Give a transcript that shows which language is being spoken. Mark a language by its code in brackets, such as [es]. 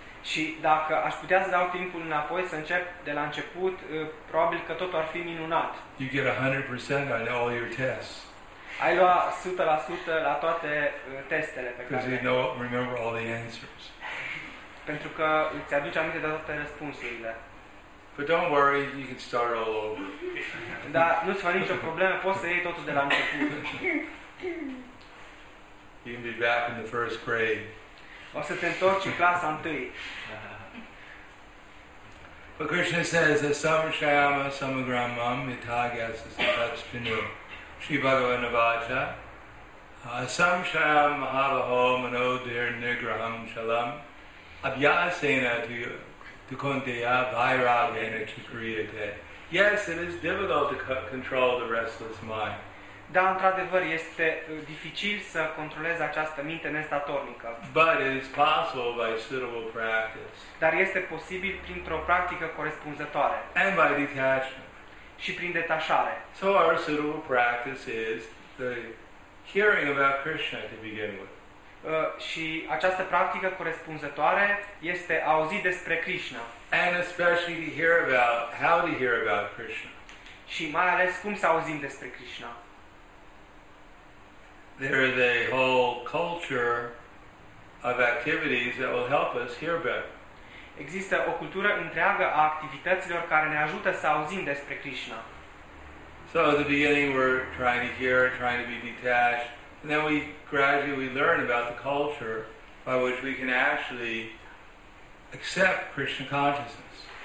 [ro] Și dacă aș putea să dau timpul înapoi, să încep de la început, probabil că totul ar fi minunat. [en] You get 100% on all your tests. [ro] Ai lua 100% la toate testele pe care. [en] Because you know, remember all the answers. [ro] Pentru că îți aduci aminte de toate răspunsurile. [en] But don't worry, you can start all over. [ro] Da, nu-ți fă nicio problemă, poți să iei totul de la început. [en] You can be back in the first grade. [ro] O să te întorci în clasa întâi. [en] But Krishna says that [sa] samshayama samagramam itagyasa satsvinu Shri Bhagavan Navaja samshayam mahabaho manodir nigraham shalam abhyasena to kondeya vairagena kikriyate. [en] Yes, it is difficult to control the restless mind. [ro] Da, într-adevăr, este dificil să controlezi această minte nestatornică. [en] But it is possible by suitable practice. [ro] Dar este posibil printr-o practică corespunzătoare. [en] And by detachment. [ro] Și prin detașare. [en] So our suitable practice is the hearing about Krishna to begin with. [ro] Și această practică corespunzătoare este auzit despre Krishna. [en] And especially to hear about, how to hear about Krishna. [ro] Și mai ales cum să auzim despre Krishna. [en] There is a whole culture of activities that will help us hear better. [ro] Există o cultură întreagă a activităților care ne ajută să auzim despre Krishna. [en] So at the beginning we're trying to hear, trying to be detached, and then we gradually learn about the culture by which we can actually accept Krishna consciousness.